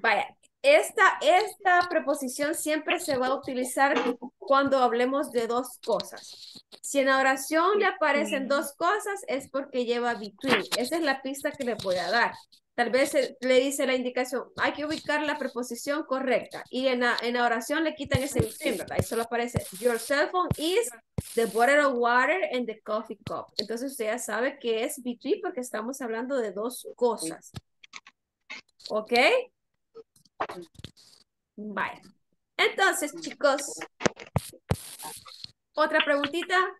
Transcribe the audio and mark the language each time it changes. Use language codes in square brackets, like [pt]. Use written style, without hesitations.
[es] Vaya, esta preposición siempre se va a utilizar cuando hablemos de dos cosas. Si en la oración le aparecen dos cosas, es porque lleva between. Esa es la pista que le voy a dar. Tal vez le dice la indicación, hay que ubicar la preposición correcta. Y en la oración le quitan ese between, ¿verdad? Y solo aparece, [en] your cell phone is the bottle of water and the coffee cup. [es] Entonces usted ya sabe que es between porque estamos hablando de dos cosas. ¿Ok? Bye. Entonces, chicos, ¿otra preguntita?